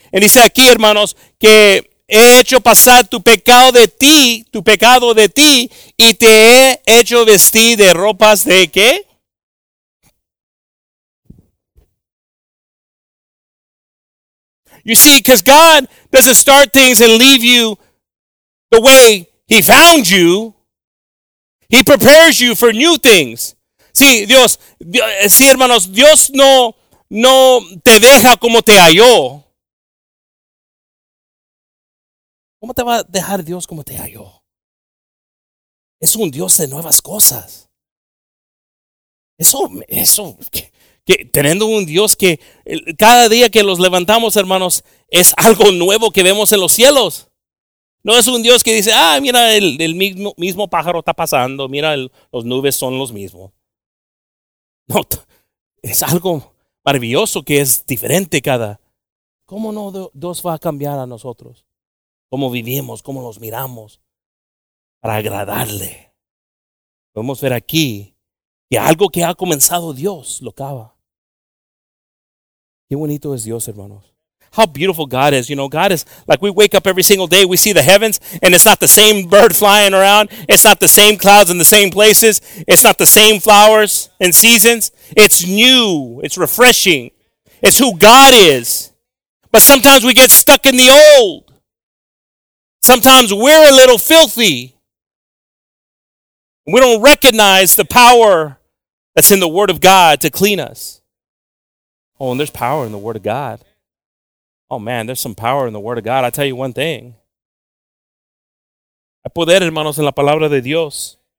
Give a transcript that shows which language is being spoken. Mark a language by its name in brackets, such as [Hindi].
[English] And he said, [Spanish] aquí, hermanos, que he hecho pasar tu pecado de ti, y te he hecho vestir de ropas de qué? [English] You see, because God doesn't start things and leave you the way he found you. He prepares you for new things. [Spanish] Sí, Dios, sí, hermanos, Dios no te deja como te halló. ¿Cómo te va a dejar Dios como te halló? Es un Dios de nuevas cosas. Eso, que teniendo un Dios que cada día que los levantamos, hermanos, es algo nuevo que vemos en los cielos. No es un Dios que dice, ah, mira, el mismo pájaro está pasando, mira, las nubes son los mismos. No, es algo maravilloso que es diferente cada. ¿Cómo no Dios va a cambiar a nosotros? ¿Cómo vivimos? ¿Cómo nos miramos? Para agradarle. Podemos ver aquí que algo que ha comenzado Dios lo acaba. Qué bonito es Dios, hermanos. [English] How beautiful God is. You know, God is like, we wake up every single day, we see the heavens, and it's not the same bird flying around. It's not the same clouds in the same places. It's not the same flowers and seasons. It's new. It's refreshing. It's who God is. But sometimes we get stuck in the old. Sometimes we're a little filthy. We don't recognize the power that's in the Word of God to clean us. Oh, and there's power in the Word of God. Oh man, there's some power in the Word of God. I tell you one thing. [Spanish] Hay poder, hermanos, en la palabra de Dios.